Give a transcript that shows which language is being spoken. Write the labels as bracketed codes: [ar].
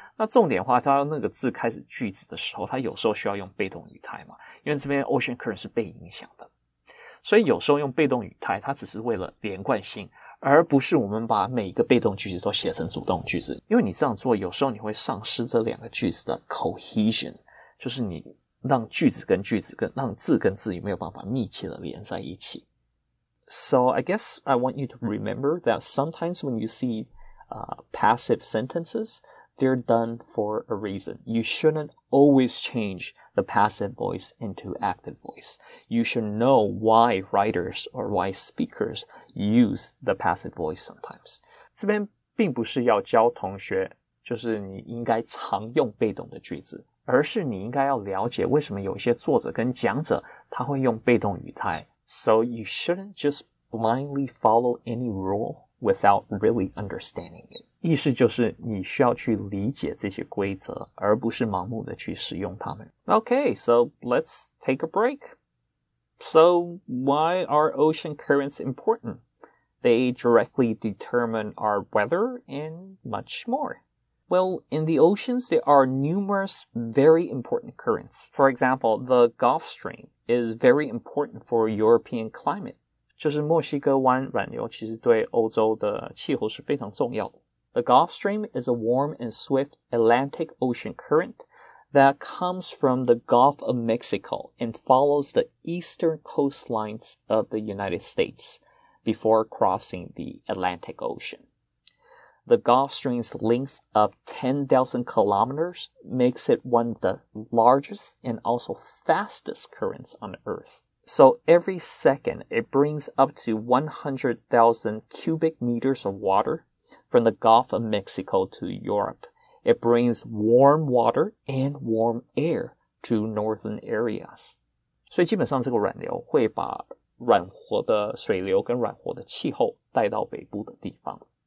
[zh] 那重点的话，它那个字开始句子的时候，它有时候需要用被动语态嘛，因为这边 ocean current 是被影响的，所以有时候用被动语态，它只是为了连贯性，而不是我们把每一个被动句子都写成主动句子，因为你这样做有时候你会丧失这两个句子的 cohesion， 就是你让句子跟句子跟让字跟字也没有办法密切的连在一起。 [en] So I guess I want you to remember that sometimes when you see passive sentences, they're done for a reason. You shouldn't always change the passive voice into active voice. You should know why writers or why speakers use the passive voice sometimes. [zh] 这边并不是要教同学就是你应该常用被动的句子，而是你应该要了解为什么有一些作者跟讲者他会用被动语态。 [en] So you shouldn't just blindly follow any rule without really understanding it. [zh] 意思就是你需要去理解这些规则，而不是盲目的去使用它们。 [en] Okay, so let's take a break. So why are ocean currents important? They directly determine our weather and much more. Well, in the oceans, there are numerous very important currents. For example, the Gulf Stream is very important for European climate. [zh] 就是墨西哥湾暖流其实对欧洲的气候是非常重要的。 [en] The Gulf Stream is a warm and swift Atlantic Ocean current that comes from the Gulf of Mexico and follows the eastern coastlines of the United States before crossing the Atlantic Ocean. The Gulf Stream's length of 10,000 kilometers makes it one of the largest and also fastest currents on Earth. So every second, it brings up to 100,000 cubic meters of water from the Gulf of Mexico to Europe. It brings warm water and warm air to northern areas. [zh] 所以基本上这个暖流会把暖和的水流跟暖和的气候带到北部的地方。